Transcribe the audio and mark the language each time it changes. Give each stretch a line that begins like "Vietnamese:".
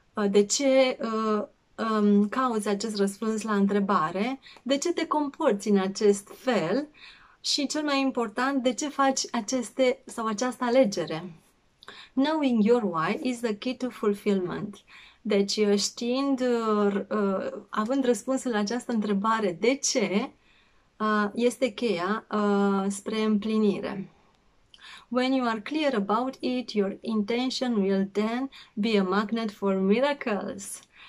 Romanian: De ce cauți acest răspuns la întrebare? De ce te comporți în acest fel? Și cel mai important, de ce faci aceste sau această alegere?
English: Knowing your why is the key to fulfillment.
Romanian: Deci știind, având răspunsul la această întrebare, de ce este cheia spre împlinire?
English: When you are clear about it, your intention will then be a magnet for miracles.